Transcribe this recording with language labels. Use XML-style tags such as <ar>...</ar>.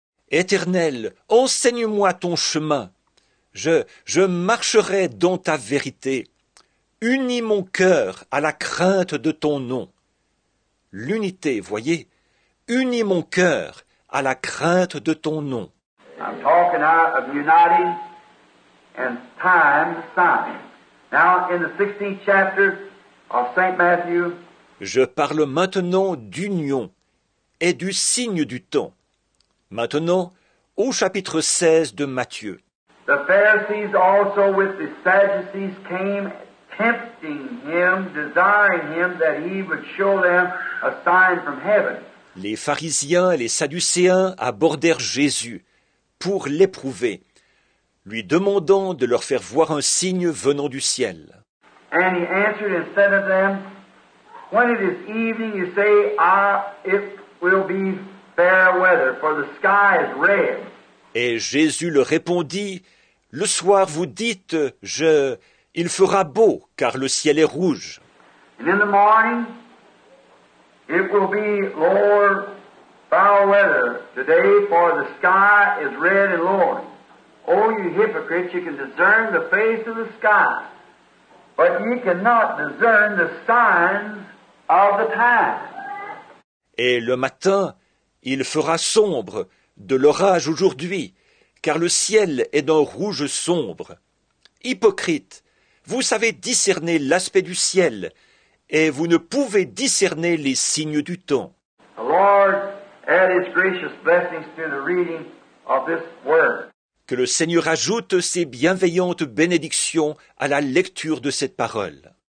<fr>Éternel, enseigne-moi ton chemin. Je marcherai dans ta vérité. Unis mon cœur à la crainte de ton nom. L'unité, voyez, unis mon cœur à la crainte de ton nom.</fr> <en>I'm talking out of uniting and time sign. Now in the 16th chapter of Saint Matthew.</en> <fr>Je parle maintenant d'union et du signe du temps. Maintenant, au chapitre 16 de Matthieu.</fr> <en>The Pharisees also with the Sadducees came tempting him, desiring him that he would show them a sign from heaven.</en> <fr>Les pharisiens et les sadducéens abordèrent Jésus pour l'éprouver, lui demandant de leur faire voir un signe venant du ciel.</fr> <en>And he answered and said to them, when it is evening, you say, it will be fair weather, for the sky is red.</en> <fr>Et Jésus leur répondit, le soir vous dites, il fera beau, car le ciel est rouge.</fr> <en>And in the morning, it will be lower, foul weather today, for the sky is red and lowering. Oh, you hypocrites, you can discern the face of the sky, but you cannot discern the signs of the time.</en> <fr>Et le matin, il fera sombre de l'orage aujourd'hui, car le ciel est d'un rouge sombre. Hypocrites, vous savez discerner l'aspect du ciel, et vous ne pouvez discerner les signes du temps.</fr> <en>The Lord add his gracious blessings to the reading of this word.</en> <fr>Que le Seigneur ajoute ses bienveillantes bénédictions à la lecture de cette parole.</fr>